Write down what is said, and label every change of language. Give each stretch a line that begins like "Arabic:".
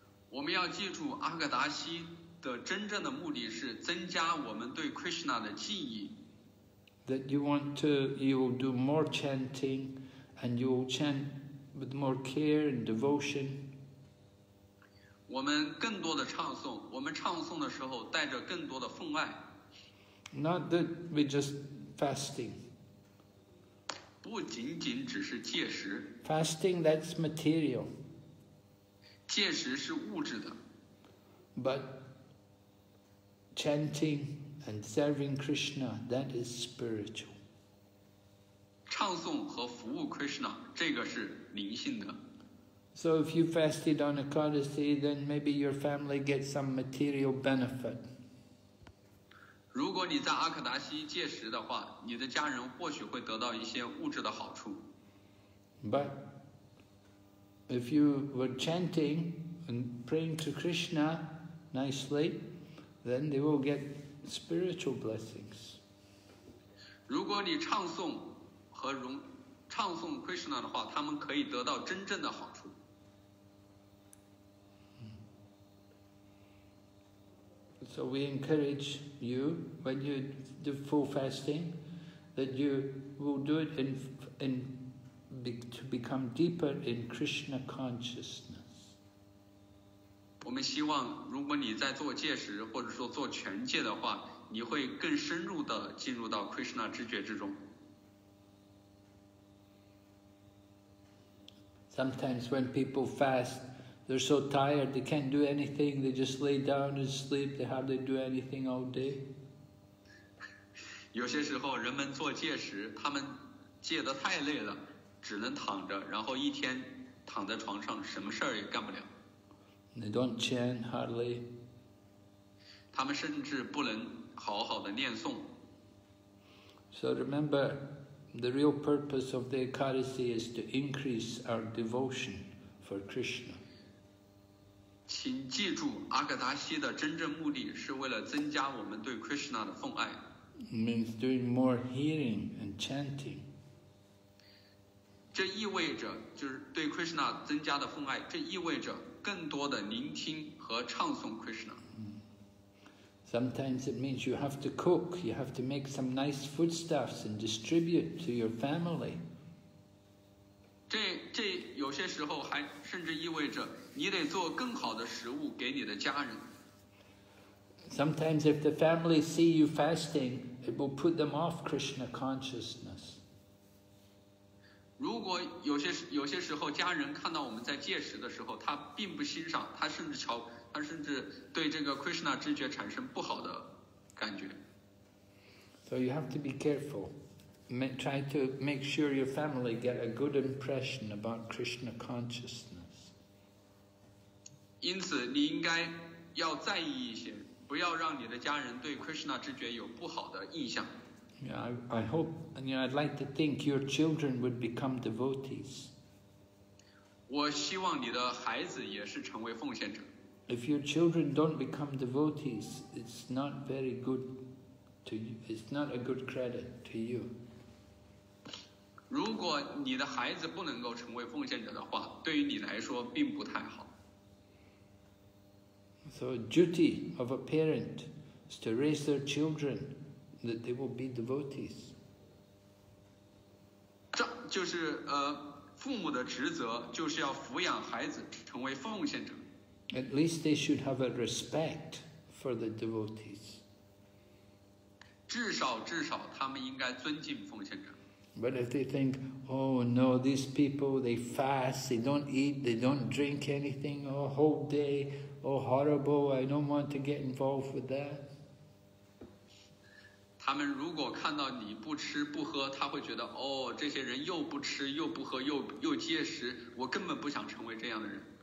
Chinese: 我们要记住阿格达西的真正的目的是增加我们对 Krishna 的记忆。
English: That you want to, you will do more chanting, and you will chant with more care and devotion.
Chinese: 我们更多的唱诵，我们唱诵的时候带着更多的分外。
English: Not that we just. Fasting.
Chinese: 不仅仅只是戒食。
English: Fasting, that's material.
Chinese: 戒食是物质的。
English: But chanting and serving Krishna, that is spiritual.
Chinese: 唱诵和服务 Krishna, 这个是灵性的。
English: So if you fasted on Ekadasi, then maybe your family gets some material benefit.
Chinese: 如果你在阿克达西戒食的话，你的家人或许会得到一些物质的好处。
English: But if you were chanting and praying to Krishna nicely, then they will get spiritual blessings.
Chinese: 如果你唱诵和唱诵 Krishna 的话，他们可以得到真正的好处。
English: So we encourage you, when you do full fasting, that you will do it to become deeper in Krishna consciousness.
Chinese: 我们希望如果你在做戒食或者说做全戒的话，你会更深入地进入到 Krishna 知觉之中。
English: Sometimes when people fast,They're so tired, they can't do anything, they just lay down and sleep, they hardly do anything all day.
Chinese: 有些时候人们做戒食，他们戒得太累了，只能躺着，然后一天躺在床上，什么事儿也干不了。
English: They don't chant hardly.
Chinese: 他们甚至不能好好的念诵。
English: So remember, the real purpose of the Ekadasi is to increase our devotion for Krishna.
Chinese: 请记住，阿格达西的真正目的是为了增加我们对 Krishna 的奉爱。
English: Means doing more hearing and chanting.
Chinese: 这意味着就是对 Krishna 增加的奉爱，这意味着更多的聆听和唱诵 Krishna.
English: Sometimes it means you have to cook, you have to make some nice foodstuffs and distribute to your family.
Chinese: 这有些时候还甚至意味着你得做更好的食物给你的家人。
English: Sometimes if the family see you fasting, it will put them off Krishna consciousness.
Chinese: 如果有些时候家人看到我们在戒食的时候，他并不欣赏，他甚至对这个 Krishna 知觉产生不好的感觉。
English: So you have to be careful. Try to make sure your family get a good impression about Krishna consciousness.
Chinese: 因此，你应该要在意一些，不要让你的家人对 Krishna 知觉有不好的印象。
English: Yeah, I hope, and you know, I'd like to think your children would become devotees.
Chinese: 我希望你的孩子也是成为奉献者。
English: If your children don't become devotees, it's not very good to you. It's not a good credit to you.
Chinese: 如果你的孩子不能够成为奉献者的话，对于你来说并不太好。
English: So duty of a parent is to raise their children that they will be devotees.
Chinese: 这就是父母的职责，就是要抚养孩子成为奉献者。
English: At least they should have a respect for the devotees.
Chinese: 至少他们应该尊敬奉献者。
English: But if they think, oh no, these people, they fast, they don't eat, they don't drink anything a whole day, oh horrible, I don't want to get involved with that.
Chinese: 他们如果看到你不吃不喝，他会觉得，哦，这些人又不吃又不喝又节食，我根本不想成为这样的人。